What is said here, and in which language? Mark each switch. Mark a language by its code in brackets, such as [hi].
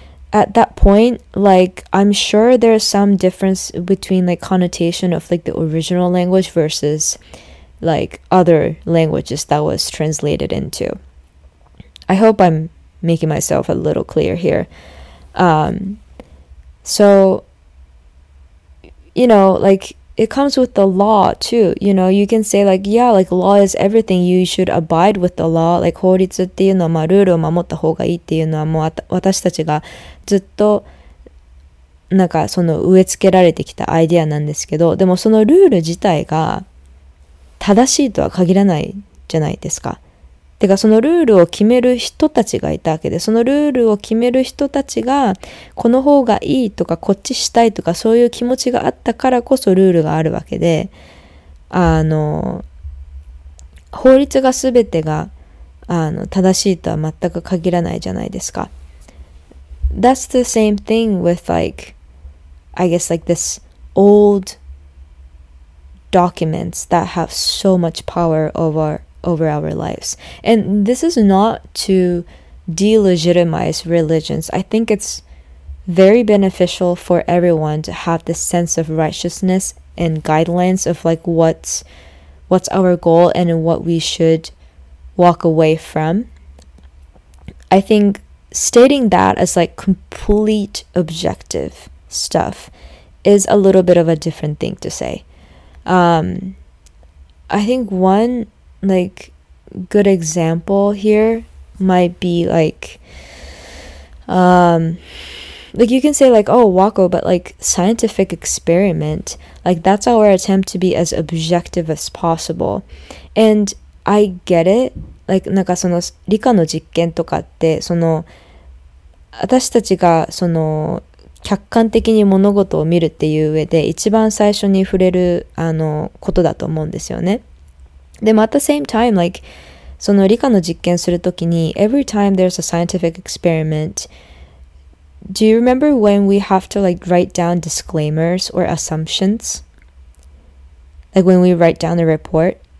[en] At that point, like, I'm sure there's some difference between, like, connotation of, like, the original language versus, like, other languages that was translated into. I hope I'm making myself a little clear here. So, you know, like, it comes with the law, too. You know, you can say, like, yeah, like, law is everything. You should abide with the law. [ja] Like, 法律っていうのは、まあ、ルールを守った方がいいっていうのは、もう私たちがずっと、なんか、その、植え付けられてきたアイデアなんですけど、でも、そのルール自体が正しいとは限らないじゃないですか。てか、そのルールを決める人たちがいたわけで、そのルールを決める人たちが、この方がいいとか、こっちしたいとか、そういう気持ちがあったからこそルールがあるわけで、法律が全てが、正しいとは全く限らないじゃないですか。 [en] That's the same thing with, like, I guess, like, this old documents that have so much power over, over our lives. And this is not to delegitimize religions. I think it's very beneficial for everyone to have this sense of righteousness and guidelines of like what's our goal and what we should walk away from. I think stating that as like complete objective stuff is a little bit of a different thing to say. I think one like good example here might be like you can say like, oh, Waco, but like scientific experiment, like that's our attempt to be as objective as possible. And I get it. [ja] Like, なんかその理科の実験とかってその私たちがその客観的に物事を見るっていう上で一番最初に触れるあのことだと思うんですよね。 [en] でも at the same time, like, [ja] その理科の実験するときに [en] every time there's a scientific experiment, do you remember when we have to like write down disclaimers or assumptions? Like when we write down a report?